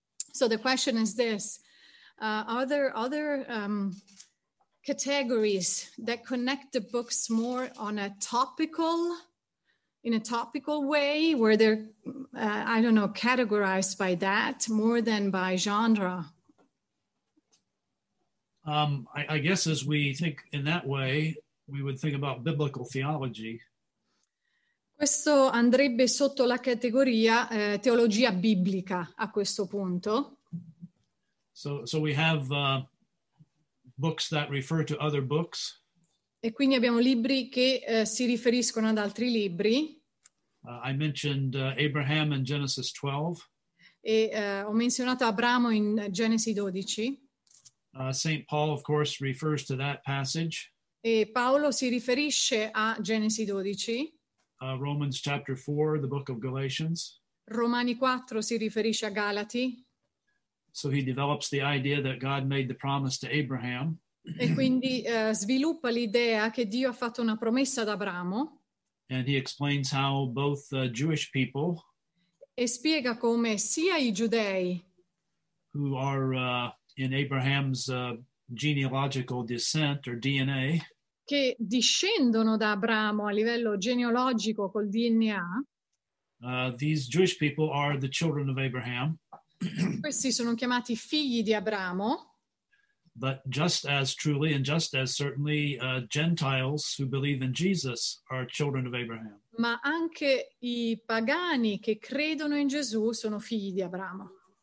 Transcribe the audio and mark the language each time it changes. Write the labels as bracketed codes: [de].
[en] So the question is this, are there other categories that connect the books more on a topical in a topical way, where they're, I don't know, categorized by that more than by genre? I guess as we think in that way, we would think about biblical theology. [it] Questo andrebbe sotto la categoria teologia biblica a questo punto. [en] So we have books that refer to other books. [it] E quindi abbiamo libri che si riferiscono ad altri libri. [en] I mentioned Abraham in Genesis 12. [it] E ho menzionato Abramo in Genesi 12. [en] Saint Paul, of course, refers to that passage. [it] E Paolo si riferisce a Genesi 12. [en] Romans chapter 4, the book of Galatians. [it] Romani 4 si riferisce a Galati. [en] So he develops the idea that God made the promise to Abraham. [it] E quindi sviluppa l'idea che Dio ha fatto una promessa ad Abramo. [en] And he explains how both the Jewish people, [it] e spiega come sia I giudei, [en] who are in Abraham's genealogical descent or DNA, [it] che discendono da Abramo a livello genealogico col DNA, [en] these Jewish people are the children of Abraham. [it] Questi sono chiamati figli di Abramo. [en] But just as truly and just as certainly Gentiles who believe in Jesus are children of Abraham. [it] Ma anche I pagani che credono in Gesù sono figli di Abramo.